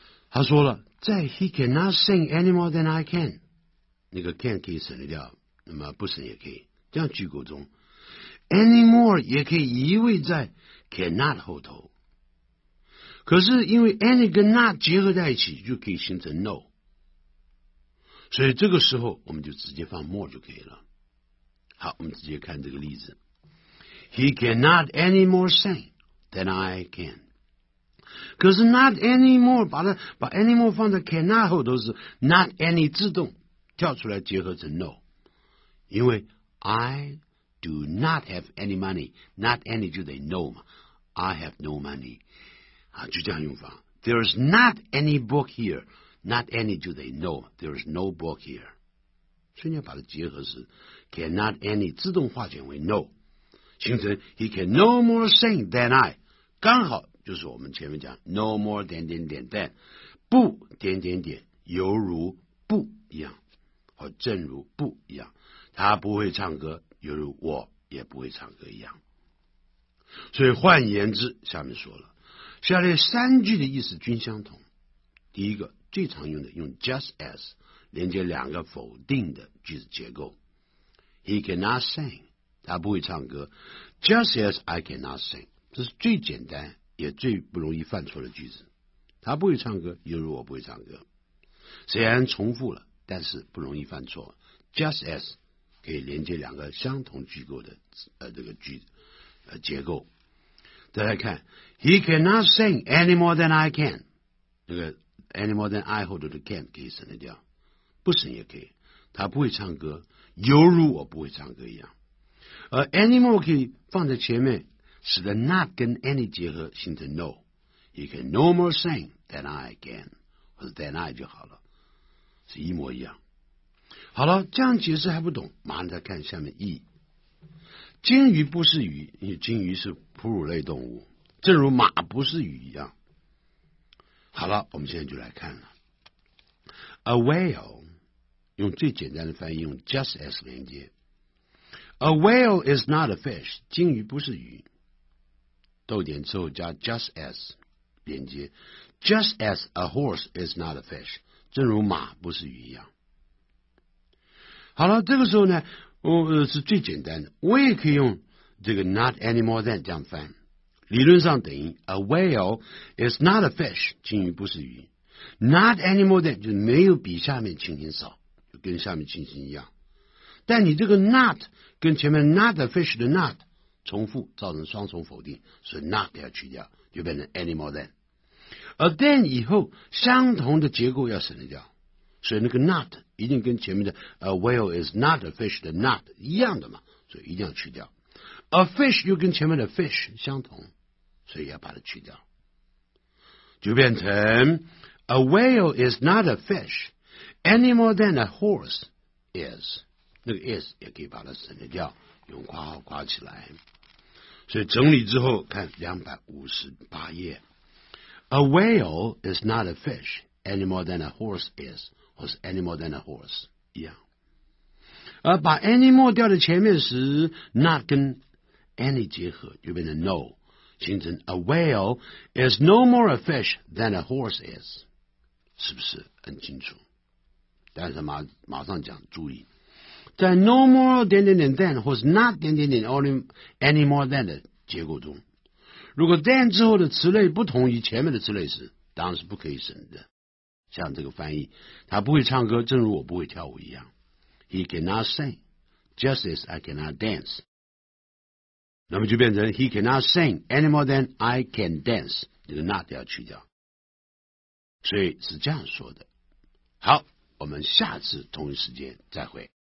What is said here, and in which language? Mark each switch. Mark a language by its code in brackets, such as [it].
[zh] 他说了，在 [en] He cannot sing any more than I can， [zh] 那个 can 可以省得掉，那么不省也可以，这样句构中 any more 也可以移位在 cannot 后头，可是因为 any 跟 not 结合在一起就可以形成 no， 所以这个时候我们就直接放 more 就可以了。好，我们直接看这个例子， [en] He cannot any more sing than I can， [zh] 可是 not anymore， 把 anymore 放在 cannot 后都是 not any 自动跳出来结合成 no， 因为 [en] I do not have any money， [zh] not any 就得 no 嘛， [en] I have no money [zh] 啊，就这样用法。 [en] There is not any book here， [zh] not any 就得 no， [en] There is no book here， [zh] 所以你要把它结合是 cannot any 自动化简为 no， 形成 [en] he can no more sing than I， [zh] 刚好就是我们前面讲 no more 点点点 than 不点点点，犹如不一样，或正如不一样，他不会唱歌，犹如我也不会唱歌一样。所以换言之，下面说了，下列三句的意思均相同。第一个，最常用的用 just as 连接两个否定的句子结构。 [en] He cannot sing， [zh] 他不会唱歌。 [en] Just as I cannot sing， 这是最简单也最不容易犯错的句子。 [zh] 他不会唱歌，犹如我不会唱歌。虽然重复了，但是不容易犯错。 Just as 可以连接两个相同句构的这个句子结构。再来看 [en] He cannot sing any more than I can， [zh] 这个 any more than I 后头的 can 可以省得掉，不省也可以。他不会唱歌，犹如我不会唱歌一样。而 any more 可以放在前面，使得 not 跟 any 结合形成 no。 [en] He can no more sing than I can， [zh] 或者 [en] than I 就好了， [zh] 是一模一样。好了，这样解释还不懂，马上再看下面 E。鲸鱼不是鱼，因为鲸鱼是哺乳类动物，正如马不是鱼一样。好了，我们现在就来看了。 A whale 用最简单的翻译，用 just as 连接。 [en] A whale is not a fish， [zh] 鲸鱼不是鱼。逗点之后加 just as 连接。 [en] Just as a horse is not a fish， [zh] 正如马不是鱼一样。好了，这个时候呢，是最简单的，我也可以用这个 not any more than 这样翻，理论上等于 [en] a whale is not a fish， [zh] 鲸鱼不是鱼。 not any more than 就没有比下面情形少，就跟下面情形一样。但你这个 not 跟前面 not a fish 的 not 重复，造成双重否定，所以 not 要去掉，就变成 any more than。而 than 以后相同的结构要省得掉，所以那个 not 一定跟前面的 [en] a whale is not a fish [zh] 的 not 一样的嘛，所以一定要去掉。 a fish 又跟前面的 fish 相同，所以要把它去掉，就变成 [en] a whale is not a fish any more than a horse is， [zh] 那个 is 也可以把它省得掉，用括号括起来。所以整理之后看258页， [en] a whale is not a fish any more than a horse is，或是 any more than a horse 一样。 [zh] 而把 any more 掉在前面时， not 跟 any 结合就变成 no， 形成 [en] a whale is no more a fish than a horse is， [zh] 是不是很清楚？但是 马上讲注意，在 no more 点点点 than 或是 not 点点点 any more than 的结构中，如果 than 之后的词类不同于前面的词类时，当然是不可以省的。像这个翻译，他不会唱歌，正如我不会跳舞一样。 [en] He cannot sing, just as I cannot dance。 [zh] 那么就变成 [en] He cannot sing any more than I can dance。 [zh] 这个 not 要去掉。所以是这样说的。好，我们下次同一时间再会。